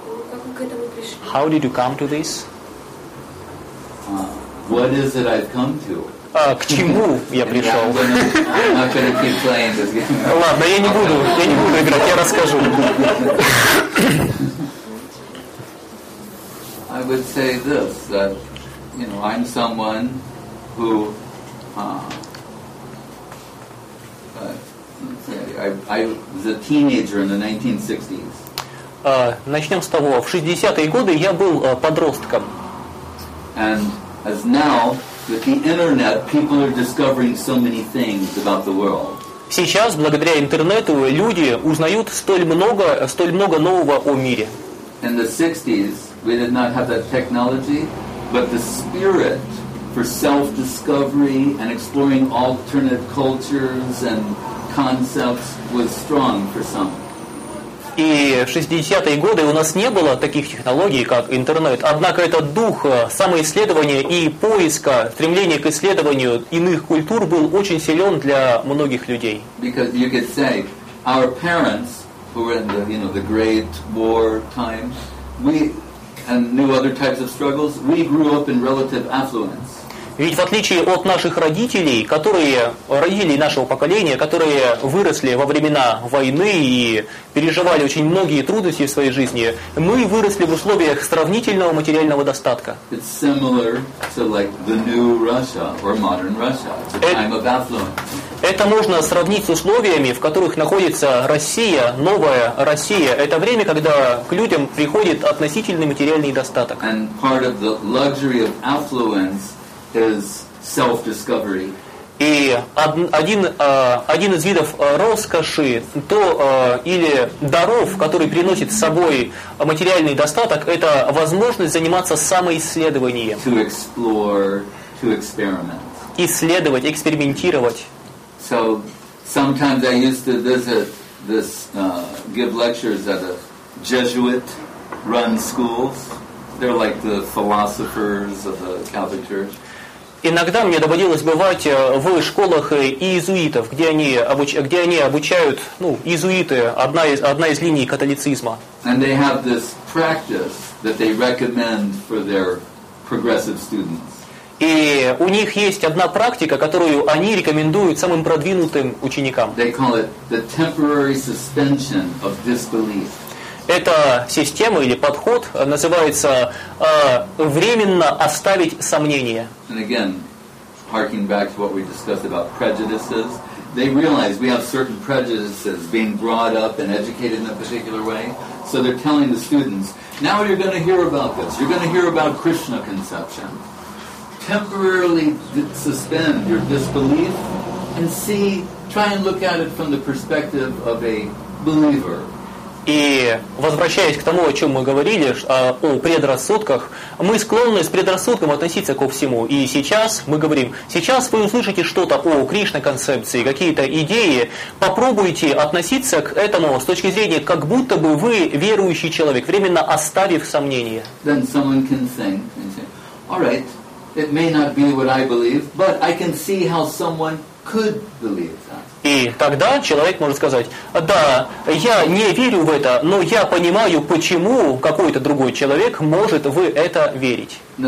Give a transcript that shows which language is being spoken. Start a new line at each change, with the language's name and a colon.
Russian: Как вы к этому пришли?
English: How did you come to this? What is it I've come to?
Russian: К чему я пришел?
English: I'm not gonna keep playing this game.
Russian: Ладно, я не буду играть, я расскажу.
English: I would say this, that, you know, I'm someone who I was a teenager in the 1960s.
Russian: Начнем с того. В 60-е годы я был подростком.
English: And as now, with the internet, people are discovering so many things about the world.
Russian: Сейчас, благодаря интернету, люди узнают столь много нового о мире.
English: In the 60s, we did not have that technology, but the spirit for self-discovery and exploring alternate cultures and concepts was strong for some.
Russian: И в 60-е годы у нас не было таких технологий, как интернет. Однако этот дух самоисследования и поиска, стремление к исследованию иных культур был очень силен для многих людей.
English: Because you could say, our parents, who were in the, you know, the Great War times, and knew other types of struggles, we grew up in relative affluence.
Russian: Ведь в отличие от наших родителей, родителей нашего поколения, которые выросли во времена войны и переживали очень многие трудности в своей жизни, мы выросли в условиях сравнительного материального достатка.
English: It's similar to like the new Russia or modern Russia, the time of affluence.
Russian: Это можно сравнить с условиями, в которых находится Россия, новая Россия. Это время, когда к людям приходит относительный материальный достаток.
English: And part of the luxury of affluence is self-discovery.
Russian: И один из видов роскоши, то или даров, который приносит с собой материальный достаток, это возможность заниматься самоисследованием.
English: To explore, to experiment.
Russian: Исследовать, экспериментировать.
English: So sometimes I used to visit this give lectures at a Jesuit-run schools. They're like the philosophers of the Catholic Church.
Russian: Иногда мне доводилось бывать в школах иезуитов, где они обучают, ну, иезуиты, одна из линий католицизма.
English: And they have this practice that they recommend for their progressive students.
Russian: И у них есть одна практика, которую они рекомендуют самым продвинутым ученикам.
English: They call it the temporary suspension of disbelief.
Russian: Эта система или подход называется временно оставить сомнения.
English: And again, harking back to what we discussed about prejudices, they realize we have certain prejudices being brought up and educated in a particular way. So they're telling the students, now you're going to hear about this. You're going to hear about Krishna conception. Temporarily suspend your disbelief and see, try and look at it from the perspective of a believer.
Russian: И возвращаясь к тому, о чем мы говорили, о предрассудках, мы склонны с предрассудком относиться ко всему. И сейчас мы говорим, сейчас вы услышите что-то о Кришна-концепции, какие-то идеи, попробуйте относиться к этому с точки зрения, как будто бы вы верующий человек, временно оставив сомнения.
English: Then someone can think, all right, it may not be what I believe, but I can see how someone could believe that.
Russian: И тогда человек может сказать, да, я не верю в это, но я понимаю, почему какой-то другой человек может в это верить.